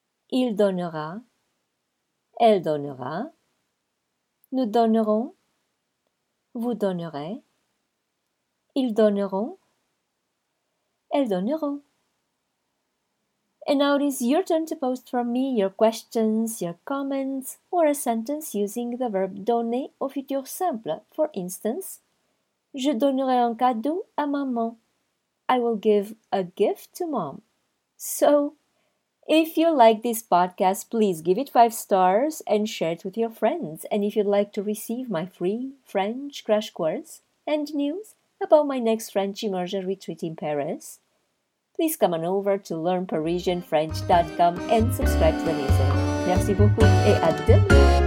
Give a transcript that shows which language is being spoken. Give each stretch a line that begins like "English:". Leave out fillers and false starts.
French: Il donnera, elle donnera, nous donnerons, vous donnerez, ils donneront, elles donneront.
English: And now it is your turn to post for me your questions, your comments, or a sentence using the verb
French: donner au futur simple.
English: For instance,
French: je donnerai un cadeau à maman.
English: I will give a gift to mom. So, if you like this podcast, please give it 5 stars and share it with your friends. And if you'd like to receive my free French crash course and news about my next French immersion retreat in Paris, please come on over to learnparisianfrench.com and subscribe to the newsletter.
French: Merci beaucoup et à demain!